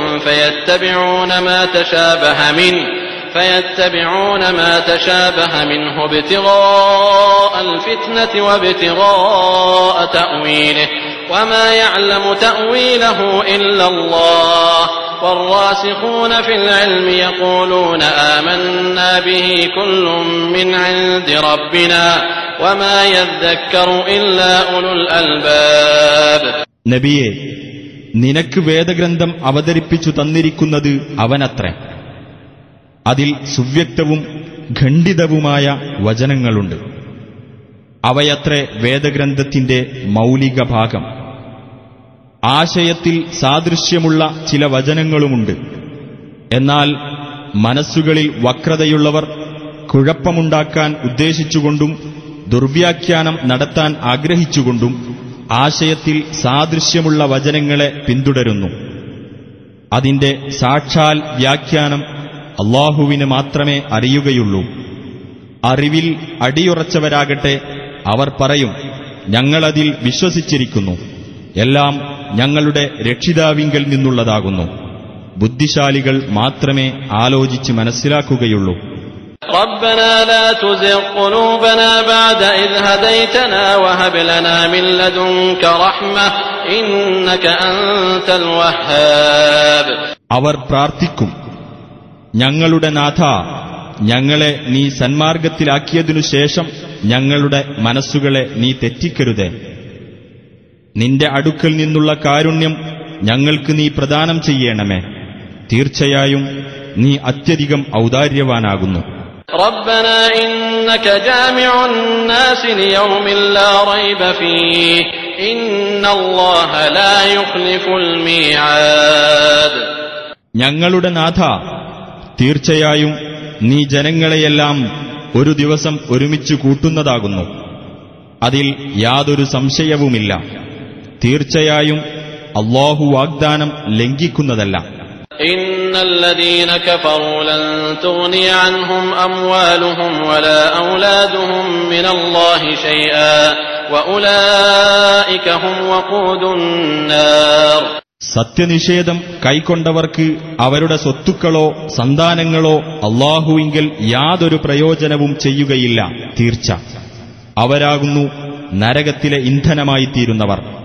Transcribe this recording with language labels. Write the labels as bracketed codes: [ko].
[ar] فيتبعون ما تشابه منه ابتغاء الفتنة وابتغاء تأويله وما يعلم تأويله إلا الله والراسخون في العلم يقولون آمنا به كل من عند ربنا وما يذكر إلا أولو الألباب [ml] نبيه നിനക്ക് വേദഗ്രന്ഥം അവതരിപ്പിച്ചു തന്നിരിക്കുന്നത് അവനത്ര. അതിൽ സുവ്യക്തവും ഖണ്ഡിതവുമായ വചനങ്ങളുണ്ട്. അവയത്രേ വേദഗ്രന്ഥത്തിന്റെ മൗലിക ഭാഗം. ആശയത്തിൽ സാദൃശ്യമുള്ള ചില വചനങ്ങളുമുണ്ട്. എന്നാൽ മനസ്സുകളിൽ വക്രതയുള്ളവർ കുഴപ്പമുണ്ടാക്കാൻ ഉദ്ദേശിച്ചുകൊണ്ടും ദുർവ്യാഖ്യാനം നടത്താൻ ആഗ്രഹിച്ചുകൊണ്ടും ആശയത്തിൽ സാദൃശ്യമുള്ള വചനങ്ങളെ പിന്തുടരുന്നു. അതിന്റെ സാക്ഷാൽ വ്യാഖ്യാനം അള്ളാഹുവിന് മാത്രമേ അറിയുകയുള്ളൂ. അറിവിൽ അടിയുറച്ചവരാകട്ടെ, അവർ പറയും, ഞങ്ങളതിൽ വിശ്വസിച്ചിരിക്കുന്നു, എല്ലാം ഞങ്ങളുടെ രക്ഷിതാവിങ്കൽ നിന്നുള്ളതാകുന്നു. ബുദ്ധിശാലികൾ മാത്രമേ ആലോചിച്ച് മനസ്സിലാക്കുകയുള്ളൂ. [ar] ربنا لا تزغ قلوبنا بعد إذ هديتنا وهب لنا من لدنك رحمة إنك أنت الوهاب [ml] അവർ പ്രാർത്ഥിക്കും, ഞങ്ങളുടെ നാഥ, ഞങ്ങളെ നീ സന്മാർഗത്തിലാക്കിയതിനു ശേഷം ഞങ്ങളുടെ മനസ്സുകളെ നീ തെറ്റിക്കരുതേ. നിന്റെ അടുക്കൽ നിന്നുള്ള കാരുണ്യം ഞങ്ങൾക്ക് നീ പ്രദാനം ചെയ്യണമേ. തീർച്ചയായും നീ അത്യധികം ഔദാര്യവാനാകുന്നു. [ar] ربنا انك جامع الناس ليوم لا ريب فيه ان الله لا يخلف الميعاد [ml] ഞങ്ങളുടെ നാഥ, തീർച്ചയായും നീ ജനങ്ങളെയെല്ലാം ഒരു ദിവസം ഒരുമിച്ച് കൂട്ടുന്നതാകുന്നു. അതിൽ യാതൊരു സംശയവുമില്ല. തീർച്ചയായും അല്ലാഹു വാഗ്ദാനം ലംഘിക്കുന്നതല്ല. [ar] ان الذين كفروا لن تغني عنهم اموالهم ولا اولادهم من الله شيئا واولئك هم وقود النار. [ml] സത്യനിഷേധം കൈക്കൊണ്ടവർക്ക് അവരുടെ സ്വത്തുക്കളോ സന്താനങ്ങളോ അല്ലാഹുവിങ്കിൽ യാതൊരു പ്രയോജനവും ചെയ്യുകയില്ല. തീർച്ച അവരാകുന്നു നരകത്തിലെ ഇന്ധനമായിത്തീരുന്നവർ.